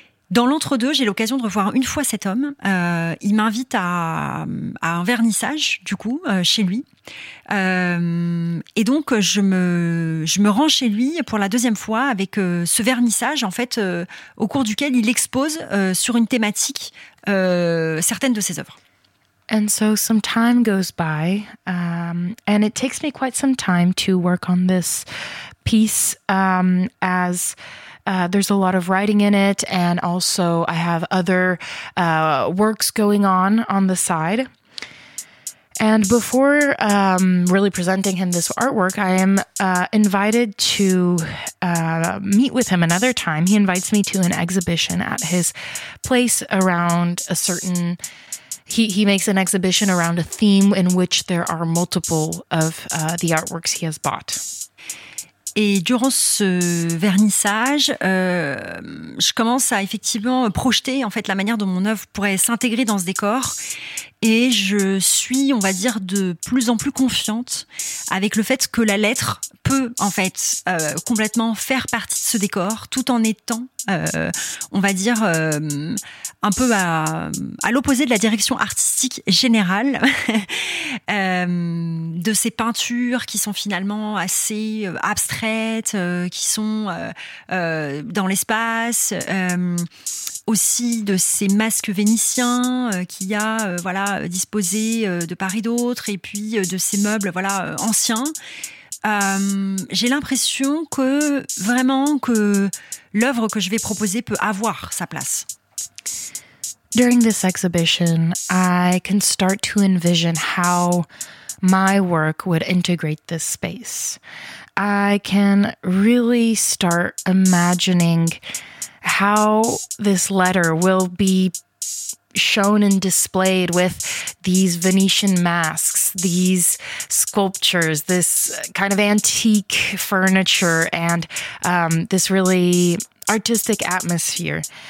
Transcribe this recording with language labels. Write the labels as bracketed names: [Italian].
[French] Dans l'entre-deux, j'ai l'occasion de revoir une fois cet homme. Il m'invite à un vernissage, du coup, chez lui. Et donc, je me rends chez lui pour la deuxième fois avec ce vernissage, en fait, au cours duquel il expose sur une thématique certaines de ses œuvres. [English] And so some time goes by, and it takes me quite some time to work on this piece as... there's a lot of writing in it, and also I have other works going on the side. And before really presenting him this artwork, I am invited to meet with him another time. He invites me to an exhibition at his place around a certain... He makes an exhibition around a theme in which there are multiple of the artworks he has bought. [French] Et durant ce vernissage, je commence à effectivement projeter en fait la manière dont mon œuvre pourrait s'intégrer dans ce décor. Et je suis, on va dire, de plus en plus confiante avec le fait que la lettre peut en fait complètement faire partie de ce décor, tout en étant, on va dire, un peu à l'opposé de la direction artistique générale de ces peintures qui sont finalement assez abstraites, qui sont dans l'espace. Aussi de ces masques vénitiens qu'il y a voilà, disposés de part et d'autre, et puis de ces meubles voilà, anciens. J'ai l'impression que vraiment que l'œuvre que je vais proposer peut avoir sa place. [English] During this exhibition, I can start to envision how my work would integrate this space. I can really start imagining how this letter will be shown and displayed with these Venetian masks, these sculptures, this kind of antique furniture, and this really artistic atmosphere.